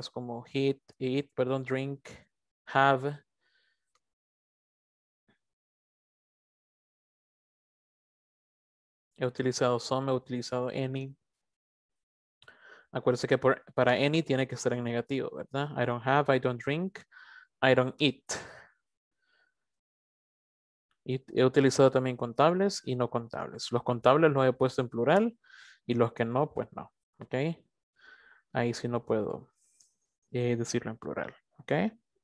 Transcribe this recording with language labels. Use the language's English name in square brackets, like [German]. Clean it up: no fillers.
[Spanish] Es como drink, have. He utilizado some, he utilizado any. Acuérdense que para any tiene que estar en negativo, ¿verdad? [English] I don't have, I don't drink, I don't eat. [Spanish] Y he utilizado también contables y no contables. Los contables los he puesto en plural. Y los que no, pues no, ¿ok? Ahí sí no puedo decirlo en plural, ¿ok?